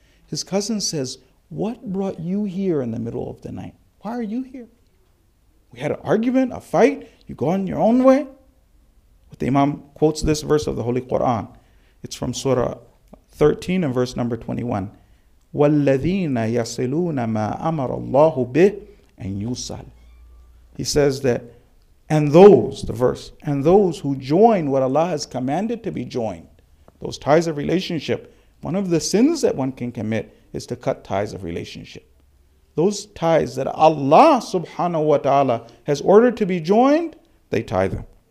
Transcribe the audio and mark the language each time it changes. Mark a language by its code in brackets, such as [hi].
[en] His cousin says, what brought you here in the middle of the night? Why are you here? We had an argument, a fight, you go on your own way. But the Imam quotes this verse of the Holy Quran. It's from Surah 13 and verse number 21. [ar] وَالَّذِينَ يَصِلُونَ مَا أَمَرَ اللَّهُ بِهِ أَنْ يُوصَلُ. [en] He says that And those who join what Allah has commanded to be joined, those ties of relationship, one of the sins that one can commit is to cut ties of relationship. Those ties that Allah subhanahu wa ta'ala has ordered to be joined, they tie them.